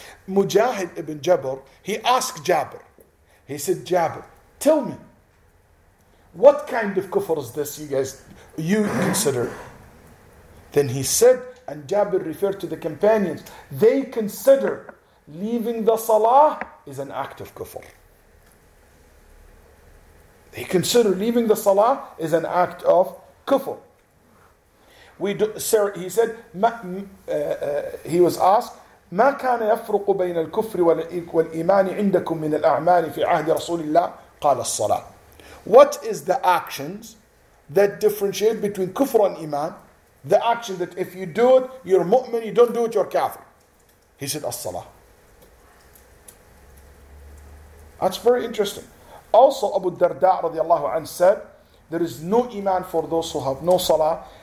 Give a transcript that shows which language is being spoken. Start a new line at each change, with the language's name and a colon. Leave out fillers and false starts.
English: Mujahid ibn Jabir, he asked Jabir. He said, Jabir, tell me, what kind of kufr is this you consider? Then he said, and Jabir referred to the companions, they consider leaving the salah is an act of kufr. They consider leaving the salah is an act of kufr. He said, he was asked,
Arabic: ما كان يفرق بين الكفر والإيمان عندكم من الأعمال في عهد رسول الله؟ قال الصلاة.
English: What is the actions that differentiate between kufr and iman? The action that if you do it, you're mu'min, you don't do it, you're kafir. He said, as-salah. That's very interesting. Also, Abu Darda radiallahu anhu said, there is no iman for those who have no salah.